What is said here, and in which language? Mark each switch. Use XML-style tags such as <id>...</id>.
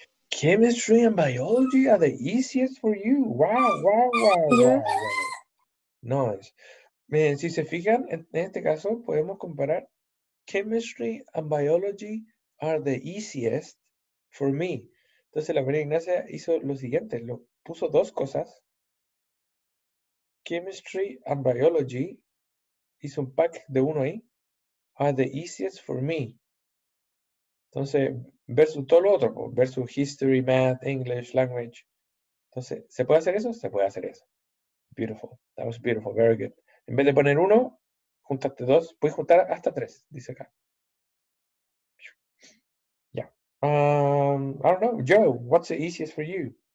<en>Chemistry and biology are the easiest for you. Wow. Nice.</en> <es>Miren, si se fijan, en este caso podemos comparar.</es> <en>Chemistry and biology are the easiest for me.</en> <es>Entonces la María Ignacia hizo lo siguiente, puso dos cosas.</es> <en>Chemistry and biology,</en> <es>hizo un pack de uno ahí,</es> <en>are the easiest for me.</en> <es>Entonces, versus todo lo otro, versus history, math, English, language. Entonces, ¿se puede hacer eso? Se puede hacer eso.</es> <en>Beautiful. That was beautiful. Very good.</en> <es>En vez de poner uno, juntaste dos, puedes juntar hasta tres, dice acá.</es> <en>I don't know, Joe, what's the easiest for you?</en>